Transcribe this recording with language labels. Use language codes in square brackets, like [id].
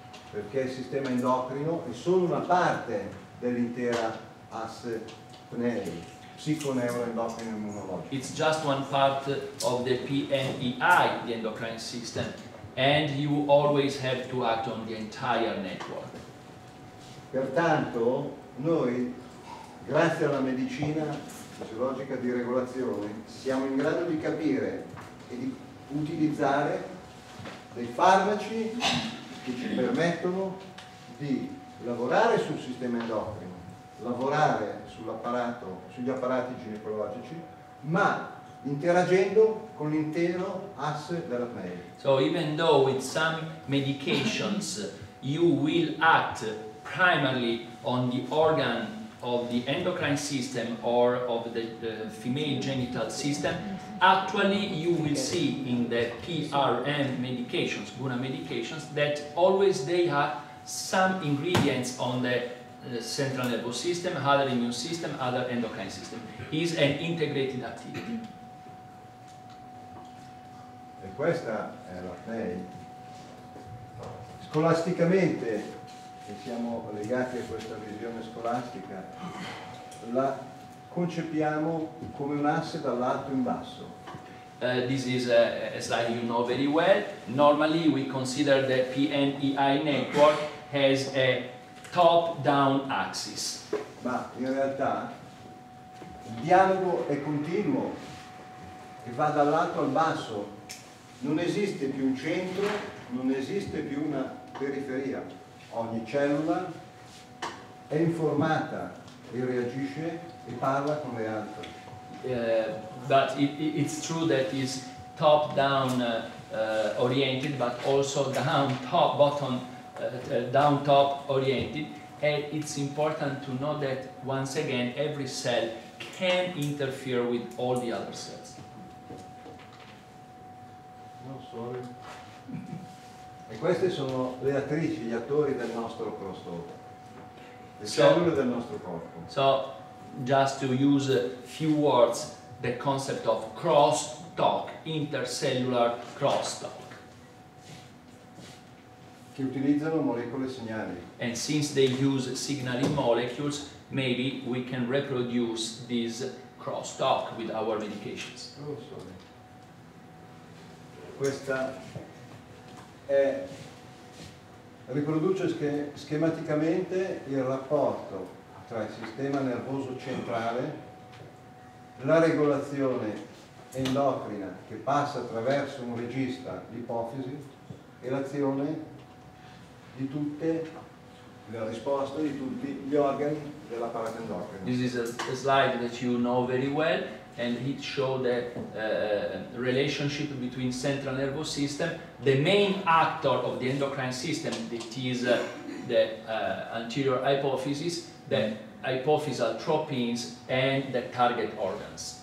[it] Perché il sistema endocrino è solo una parte dell'intera asse pneo. [en] It's just one part of the PNEI, the endocrine system, and you always have to act on the entire network. [it] Pertanto, noi, grazie alla medicina fisiologica di regolazione, siamo in grado di capire e di utilizzare dei farmaci che ci permettono di lavorare sul sistema endocrino, lavorare sull'apparato, sugli apparati ginecologici, ma interagendo con l'intero asse della pelle. [en] So even though with some medications you will act primarily on the organ of the endocrine system or of the female genital system, actually you will see in the PRM medications, Guna medications, that always they have some ingredients on the central nervous system, other immune system, other endocrine system. Is an integrated activity. [it] E questa è la PNEI. Scolasticamente, e siamo legati a questa visione scolastica, la concepiamo come un asse dall'alto in basso. [en] This is a slide you know very well. Normally we consider the PNEI network as a top-down axis. [it] Ma in realtà il dialogo è continuo e va dall'alto al basso. Non esiste più un centro, non esiste più una periferia. Ogni cellula è informata e reagisce e parla con le altre. [en] But it's true that it's top-down oriented, but also down-top oriented. And it's important to know that, once again, every cell can interfere with all the other cells. No, sorry. [it] E queste sono le attrici, gli attori del nostro crossover. Le cellule del nostro corpo. [en] So, just to use a few words, the concept of crosstalk, intercellular crosstalk. [it] Che utilizzano molecole segnali. [en] And since they use signaling molecules, maybe we can reproduce this crosstalk with our medications. Oh, sorry. [it] Questa è, riproduce schematicamente il rapporto tra il sistema nervoso centrale, la regolazione endocrina che passa attraverso un regista, l'ipofisi, e l'azione di tutte le risposte di tutti gli organi dell'apparato endocrino. [en] This is a slide that you know very well, and it shows the relationship between central nervous system, the main actor of the endocrine system, that is the anterior hypophysis, the hypophysal tropins, and the target organs.